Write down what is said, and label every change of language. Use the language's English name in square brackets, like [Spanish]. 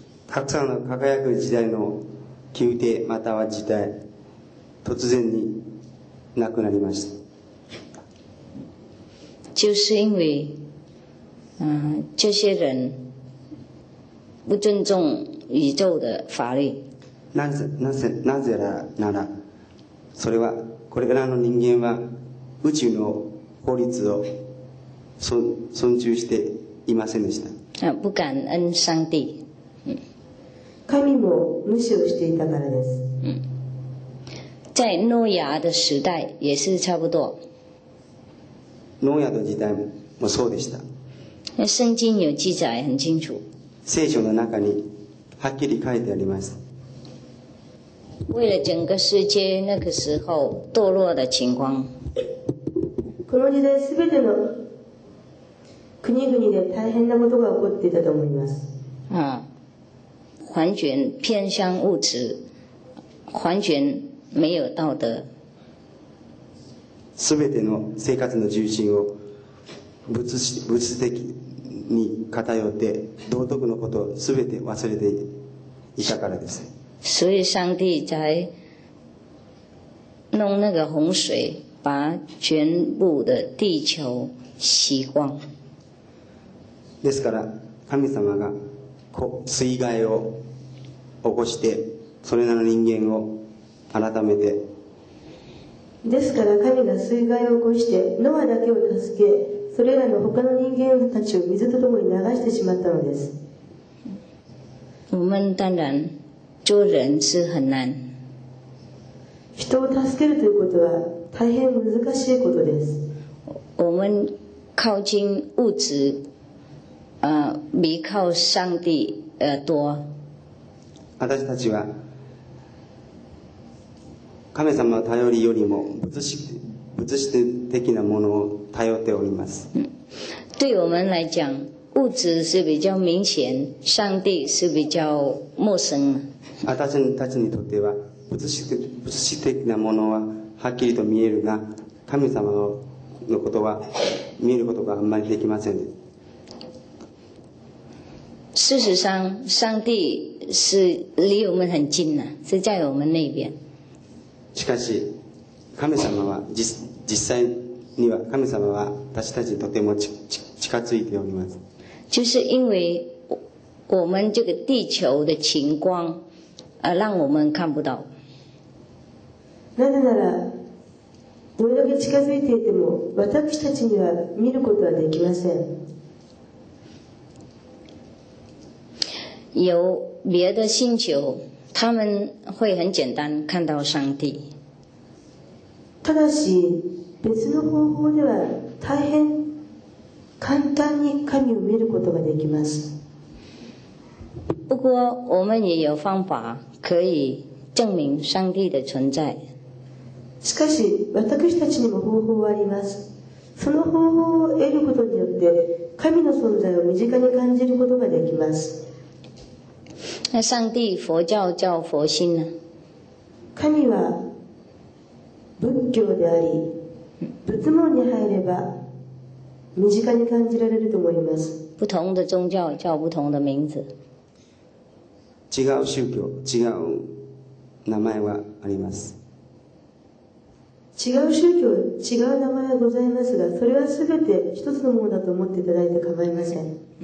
[Japanese] たくさんの輝く時代の宮廷または時代、突然になくなりました。 [Chinese] 就是因为这些人不尊重宇宙的法律。 [Japanese] なぜならそれは、これからの人間は宇宙の法律を尊重していませんでした。 [Chinese] 不感恩上帝。 [Japanese] 神も無視をしていたからです。 [Chinese] 在ノヤ的时代也是差不多。 [Japanese] ノヤの時代もそうでした。 [Chinese] 聖经有记载很清楚。 [Japanese] 聖書の中にはっきり書いてあります。 [Chinese] 为了整个世界那个时候堕落的情况。 [Japanese] この時代すべての国々で大変なことが起こっていたと思います。 [Chinese] 完全偏向物质，完全没有道德。 [Japanese] すべての生活の重心を物質的に偏って道徳のことをすべて忘れていたからです。 [Chinese] 所以上帝在弄那个洪水，把全部的地球洗光。 [Japanese] ですから神様が水害を起こして、それらの人間を改めて。ですから神が水害を起こしてノアだけを助け、それらの他の人間たちを水とともに流してしまったのです。 [Chinese] 我们当然做人是很难， [Japanese] 人を助けるということは大変難しいことです。 [Chinese] 我们靠近物质比靠上帝多。 [Japanese] 私たちは神様を頼りよりも物質的なものを頼っております。 [Chinese] 对我们来讲，物质是比较明显，上帝是比较陌生。 [Japanese] 私たちにとっては物質的なものははっきりと見えるが、神様のことは見ることがあんまりできません。 [Chinese] 事实上上帝是离我们很近的，是在我们那边。 [Japanese] しかし神様は実際には神様は私たちにとても近づいております。 [Chinese] 就是因为我们这个地球的情况让我们看不到。 [Japanese] なぜならどれだけ近づいていても私たちには見ることはできません。 [Chinese] 有别的星球他们会很简单看到上帝。 [Japanese] ただし別の方法では大変簡単に神を見ることができます。 [Chinese] 不过我们也有方法可以证明上帝的存在。 [Japanese] しかし私たちにも方法はあります。その方法を得ることによって神の存在を身近に感じることができます。 [Chinese] 那上帝佛教叫佛心呢？ [Japanese] 神は仏教であり、仏門に入れば身近に感じられると思います。 [Chinese] 不同的宗教叫不同的名字。 [Japanese] 違う宗教、違う名前はあります。違う宗教、違う名前はございますが、それはすべて一つのものだと思っていただいて構いません。